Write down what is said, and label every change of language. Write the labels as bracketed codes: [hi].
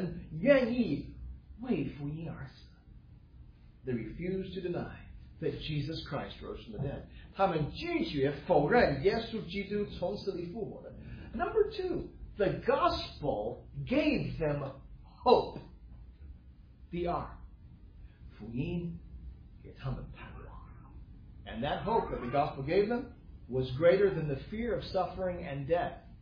[zh] 第一，因为他们相信福音，所以他们愿意为福音而死。 [en] They refused to deny that Jesus Christ rose from the dead. [zh] 他们拒绝否认耶稣基督从死里复活的。 [en] Number two, the gospel gave them hope. [zh] 第二，福音给他们盼望。 [en] And that hope that the gospel gave them was greater than the fear of suffering and death.